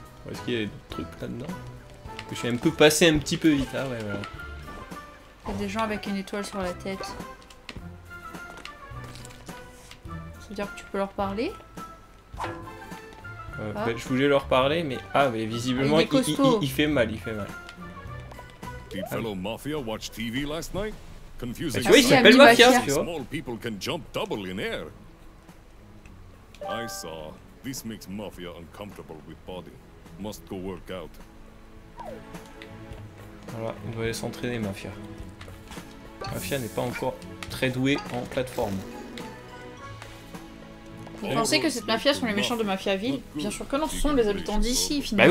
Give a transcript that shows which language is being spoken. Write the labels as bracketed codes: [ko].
[fr] Est-ce qu'il y a des trucs là-dedans? Je suis un peu passé un petit peu vite. Ah ouais, voilà. Il y a des gens avec une étoile sur la tête. Ça veut dire que tu peux leur parler? Ah. Ben, je voulais leur parler, mais... Ah, mais visiblement, ah, il fait mal, il fait mal. [en] Did fellow mafia watch TV last night? Confusing. [fr] Oui, il s'appelle Mafia, tu vois. [en] Small people can jump double in air. I saw. This makes mafia uncomfortable with body. Must go work out. [fr] Voilà, on doit aller s'entraîner, Mafia. Mafia n'est pas encore très douée en plateforme. Vous pensez que cette mafia sont les méchants de Mafia Ville? Bien sûr que non, ce sont les habitants d'ici, finalement.